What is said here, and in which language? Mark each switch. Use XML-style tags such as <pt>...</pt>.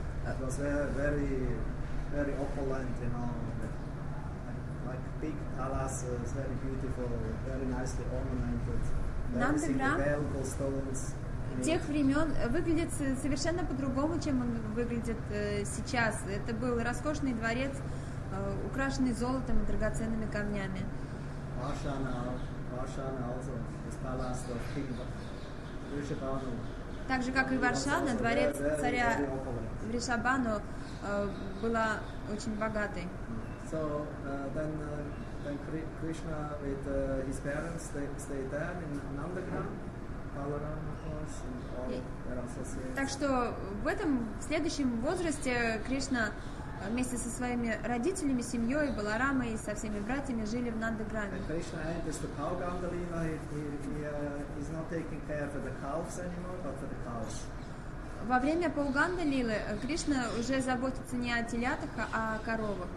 <en>It was very, very, very opulent, you know, like big palaces, very beautiful, very nicely ornamented, very beautiful stones.</en> <ru>Тех времен выглядит совершенно по-другому, чем он выглядит сейчас. Это был роскошный дворец, украшенный золотом и драгоценными камнями.</ru> <en>Варшана also, this palace of King Vrishabhanu.</en> <ru>Так же, как и Варшана, дворец царя Вришабану была очень богатой.</ru> <en>So, then Krishna with his parents stay there in Nandagram, Balaram, of course, and all their associates.</en> <ru>Так что в следующем возрасте Кришна вместе со своими родителями, семьей, Баларамой и со всеми братьями жили в Нандаграме.</ru> <en>And Krishna enters the Pauganda Lila. He's not taking care for the cows anymore, but for the cows.</en> <ru>Во время Пауганда Лилы Кришна уже заботится не о телятах, а о коровах.</ru>